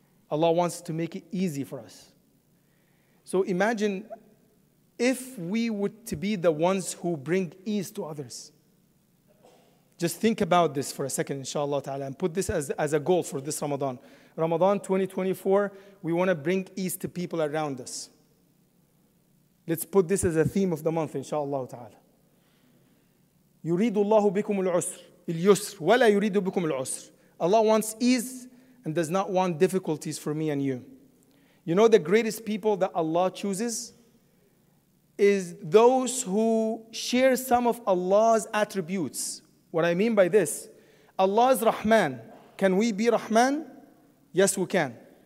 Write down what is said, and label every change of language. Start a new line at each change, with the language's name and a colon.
English: Allah wants to make it easy for us. So imagine if we were to be the ones who bring ease to others. Just think about this for a second, inshallah ta'ala, and put this as a goal for this Ramadan. Ramadan 2024, we want to bring ease to people around us. Let's put this as a theme of the month, inshallah ta'ala.
Arabic: يُرِيدُ اللَّهُ بِكُمُ الْعُسْرِ اليسر ولا يريد بكم العسر.
English: Allah wants ease and does not want difficulties for me and you. You know, the greatest people that Allah chooses is those who share some of Allah's attributes. What I mean by this, Allah is Rahman. Can we be Rahman? Yes, we can.